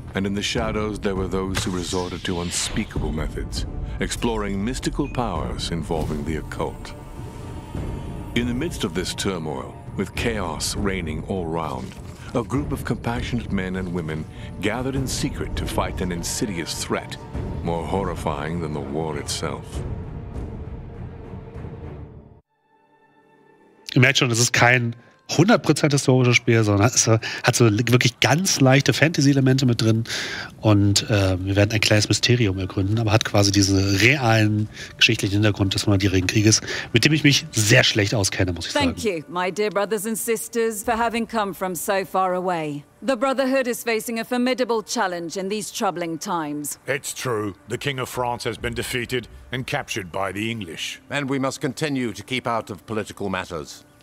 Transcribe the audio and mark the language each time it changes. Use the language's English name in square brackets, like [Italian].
[English] And in the shadows, there were those who resorted to unspeakable methods, exploring mystical powers involving the occult. In the midst of this turmoil, with chaos reigning all round, a group of compassionate men and women gathered in secret to fight an insidious threat, more horrifying than the war itself. [German] Ihr merkt schon, es ist kein 100% historisches Spiel, sondern es hat so wirklich ganz leichte Fantasy-Elemente mit drin. Und wir werden ein kleines Mysterium ergründen, aber hat quasi diesen realen geschichtlichen Hintergrund des 100-jährigen Krieges, mit dem ich mich sehr schlecht auskenne, muss ich sagen. [English] Thank you, my dear brothers and sisters, for having come from so far away. The Brotherhood is facing a formidable challenge in these troubling times. It's true. The King of France has been defeated and captured by the English. And we must continue to keep out of political matters.